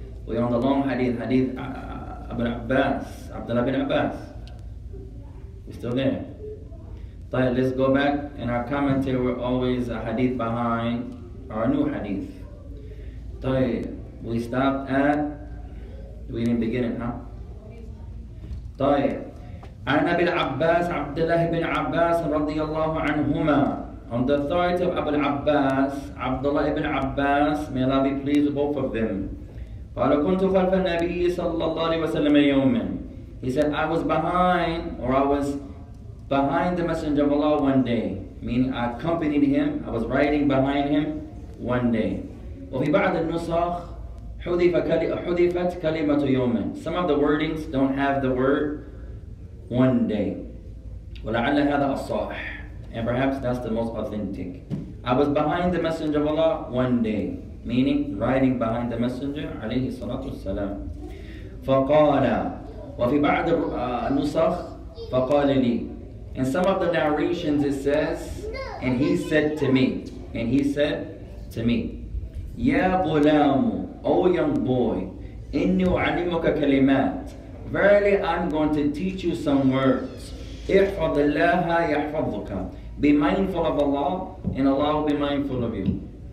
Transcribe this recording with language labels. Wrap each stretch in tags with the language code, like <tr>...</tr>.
<en>We are on the long hadith, hadith Ibn Abbas, Abdullah bin Abbas. We're still there.</en> <ar>طيب,</ar> <en>let's go back. In our commentary, we're always a hadith behind our new hadith.</en> <ar>طيب,</ar> <en>we stopped at, we didn't begin it, huh?</en> <ar>طيب, عن أبي العباس عبد الله بن عباس رضي الله عنهما,</ar> <en>on the authority of Abu العباس عبد الله بن عباس, may Allah be pleased with both of them.</en> <ar>قال كنت خلف النبي صلى الله عليه وسلم يوما.</ar> <en>He said, I was behind, or I was behind the Messenger of Allah one day, meaning I accompanied him, I was riding behind him one day.</en> <ar>وفي بعض النسخ حذفت كلمة يوم.</ar> <en>Some of the wordings don't have the word one day.</en> <ar>ولعل هذا الصح.</ar> <en>And perhaps that's the most authentic. I was behind the Messenger of Allah one day, meaning riding behind the Messenger</en> <ar>عليه الصلاة والسلام. فقال وفي بعض النسخ فقال لي.</ar> <en>In some of the narrations it says, and he said to me, and he said to me,</en> <ar>يا غلام,</ar> <en>O young boy,</en> <ar>إني أعلمك كلمات,</ar> <en>verily I'm going to teach you some words.</en> <ar>احفظ الله يحفظك,</ar> <en>be mindful of Allah and Allah will be mindful of you.</en>